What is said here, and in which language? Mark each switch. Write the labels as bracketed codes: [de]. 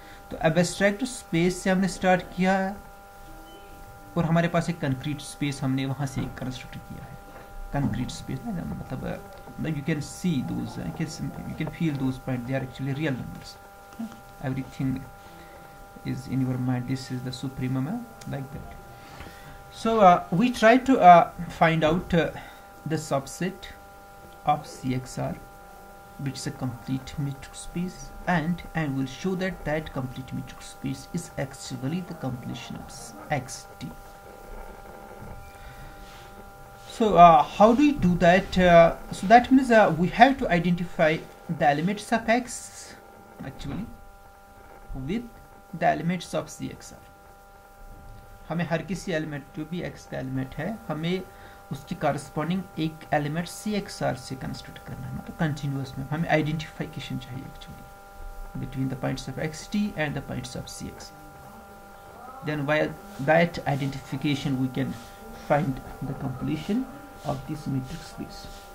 [hi] तो abstract space से हमने स्टार्ट किया है और हमारे पास एक कंक्रीट स्पेस, हमने वहां से एक कंस्ट्रक्ट किया है कंक्रीट स्पेस, मतलब [en] You can see those, you can feel those point, they are actually real numbers, everything is in your mind, this is the supremum like that. So we try to find out the subset of CXR which is a complete matrix space, and we'll show that that complete matrix space is actually the completion of XD. So how do we do that? So that means we have to identify the elements of X actually with the elements of CXR. [hi] हमें हर किसी element जो भी X का element है हमें उसके कारस्पॉन्डिंग एक element C x are से कंस्ट्रक्ट करना है, मतलब कंटिन्यूस में हमें आइडेंटिफिकेशन चाहिए [en] Actually between the points of X T and the points of C X, then via that identification we can find the completion of this matrix space.